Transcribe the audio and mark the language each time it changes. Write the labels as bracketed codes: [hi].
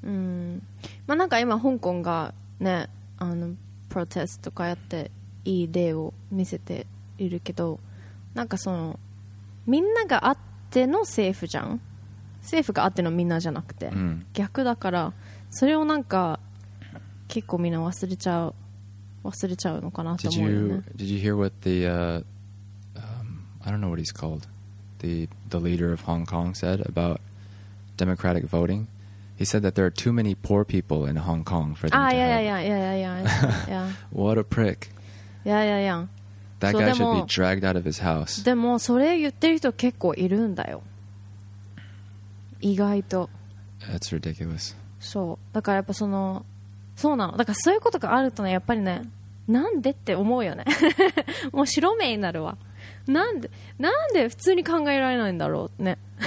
[ja] Mm. まあなんか今香港がね、あのプロテストとかやっていい例を見せているけど、なんかそのみんながあっての政府じゃん。政府があってのみんなじゃなくて、うん、逆だからそれをなんか結構みんな忘れちゃうのかなと思うよね。 [en] Did you hear what the I don't know what he's called, the leader of Hong Kong said about democratic voting? He said that there are too many poor people in Hong Kong for them to help. Yeah. What a prick. Yeah. That guy should be dragged out of his house. [ja] でもそれ言ってる人結構いるんだよ。意外と。 [en] That's ridiculous. [ja] そう。だからやっぱその、そうなの。だからそういうことがあるとね、やっぱりね、なんでって思うよね。もう白目になるわ。なんで普通に考えられないんだろうね。